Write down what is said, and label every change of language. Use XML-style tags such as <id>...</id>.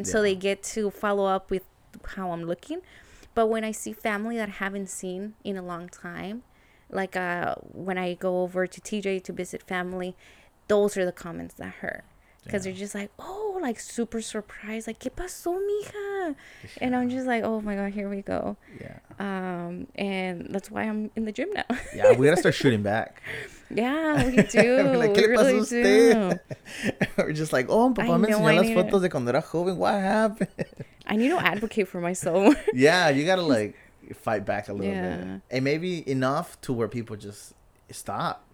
<en>Yeah. So they get to follow up with how I'm looking. But when I see family that I haven't seen in a long time, like when I go over to TJ to visit family, those are the comments that hurt. Because they're just like, oh, like super surprised. Like,</en> <es>¿qué pasó, mija?</es> <en>And I'm just like, oh, my God, here we go. Yeah. And that's why I'm in the gym now. Yeah, we got to start shooting back. Yeah, we do. Like,</en> <es>¿qué pasó</es> <en>really</en> <es>usted?</es> <en>We're just like, oh,</en> <es>papá me enseñó las fotos de cuando era joven.</es> <en>What happened? I need to advocate for myself. Yeah, you got to, like, fight back a little bit. And maybe enough to where people just stop.</en>